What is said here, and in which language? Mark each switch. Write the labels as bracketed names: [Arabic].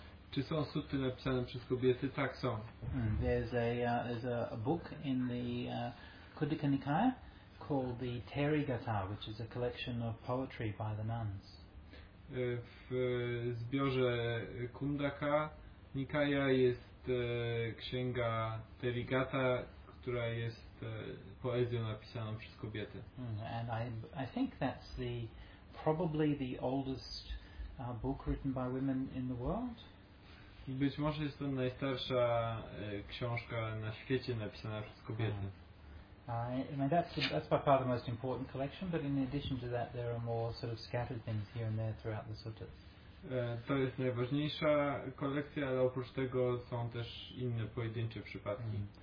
[Polish] Czy są sutry napisane przez kobiety? Tak, są. [English] There's a book in the Kuddika Nikaya called the Terigata, which is a collection of poetry by the nuns. [Polish] W zbiorze Kundaka Nikaya jest księga Terigata, która jest poezją napisaną przez kobiety. [English] And I think that's the probably the oldest book written by women in the world. [Polish] Być może jest to najstarsza książka na świecie napisana przez kobiety. [English] That's by far the most important collection, but in addition to that there are more sort of scattered things here and there throughout the suttas. [Polish] To jest najważniejsza kolekcja, ale oprócz tego są też inne pojedyncze przypadki.